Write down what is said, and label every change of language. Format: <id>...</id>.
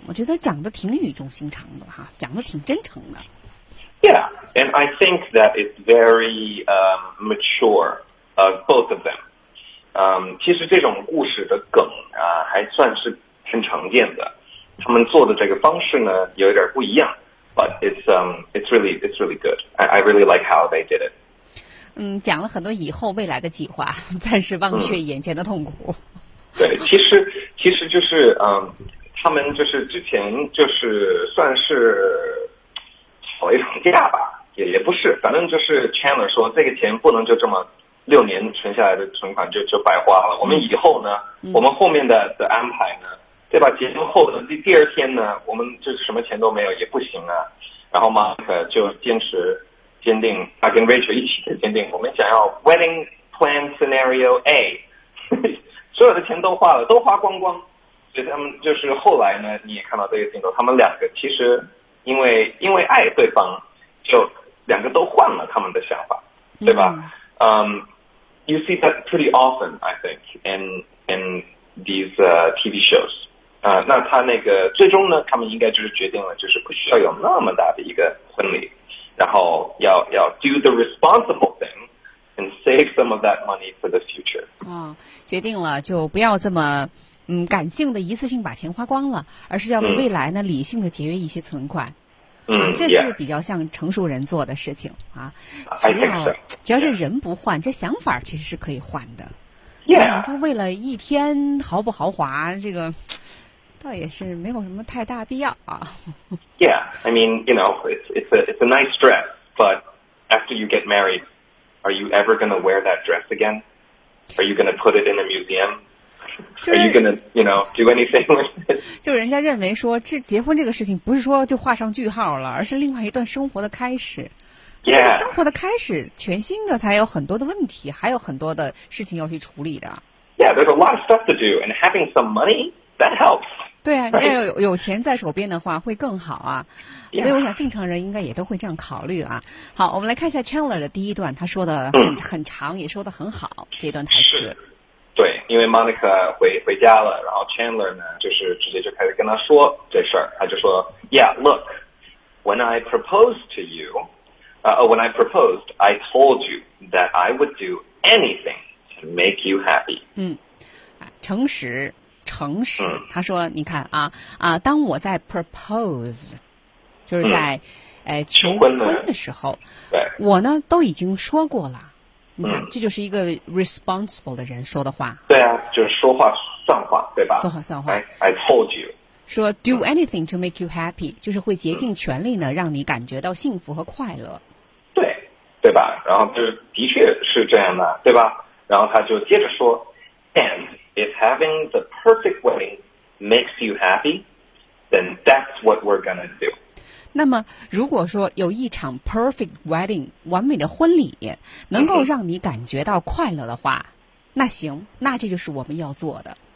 <zh>我觉得讲的挺语重心长的哈，讲的挺真诚的。</zh> <en>Yeah, and I think that it's very mature of both of them.</en> <zh>其实这种故事的梗啊，还算是挺常见的。他们做的这个方式呢，有一点不一样 ，</zh> <en>but it's really good. I really like how they did it.</en> <zh>讲了很多以后未来的计划，暂时忘却眼前的痛苦。对，其实就是他们就是之前就是算是吵了一场架吧，也不是，反正就是 Chandler 说这个钱不能就这么。 6年存下来的存款就白花了。我们以后呢，我们后面的安排呢，对吧？结婚后的第二天呢，我们就什么钱都没有也不行啊。然后 Mark 就坚定，他跟 Rachel 一起的坚定，我们想要</zh> <en>Wedding Plan Scenario A，</en> <zh>所有的钱都花了，都花光光。所以他们就是后来呢，你也看到这个镜头，他们两个其实因为爱对方，就两个都换了他们的想法，对吧？</zh> <en>You see that pretty often, I think, in these TV shows.</en> <zh>那他那个最终呢，他们应该就是决定了，就是不需要有那么大的一个婚礼，然后要</zh> <en>do the responsible thing and save some of that money for the future.</en> <zh>决定了就不要这么感性的一次性把钱花光了，而是要为未来呢理性的节约一些存款。这是比较像成熟人做的事情啊，只要这人不换，这想法其实是可以换的。</zh> <en>Yeah，</en> <zh>就为了一天豪不豪华，这个倒也是没有什么太大必要啊。</zh> <en>Yeah， I mean， you know， it's a nice dress， but after you get married， are you ever gonna wear that dress again？ Are you gonna put it in a museum？ Are you gonna, you know, do anything with it?</en> <zh>就人家认为说，这结婚这个事情不是说就画上句号了，而是另外一段生活的开始。</zh> <en>Yeah.</en> <zh>这个生活的开始，全新的才有很多的问题，还有很多的事情要去处理的。</zh> <en>yeah, there's a lot of stuff to do, and having some money, that helps.</en> <zh>对啊，你要有钱在手边的话会更好啊。</zh> <en>Yeah.</en> <zh>所以我想正常人应该也都会这样考虑啊。好，我们来看一下 Chandler 的第一段，他说的 很长，也说的很好，这段台词。对，因为 Monica 回家了，然后 Chandler 呢就是直接就开始跟他说这事儿，他就说</zh> <en>Yeah, look, when I proposed to you,when I proposed, I told you that I would do anything to make you happy.</en> <zh>嗯，诚实。诚实，他说：“你看啊啊，当我在 propose， 就是在，求婚的时候，对，我呢都已经说过了。你看，这就是一个 responsible 的人说的话。对啊，就是说话算话，对吧？说话算话。</zh> <en>I told you，</en> <zh>说</zh> <en>do anything to make you happy，</en> <zh>就是会竭尽全力呢，让你感觉到幸福和快乐。对，对吧？然后就是的确是这样的，对吧？然后他就接着说 and。”</zh> <en>If having the perfect wedding makes you happy, then that's what we're gonna do.</en> <zh>那么，如果说有一场 perfect wedding 完美的婚礼能够让你感觉到快乐的话，那行，那这就是我们要做的。</zh>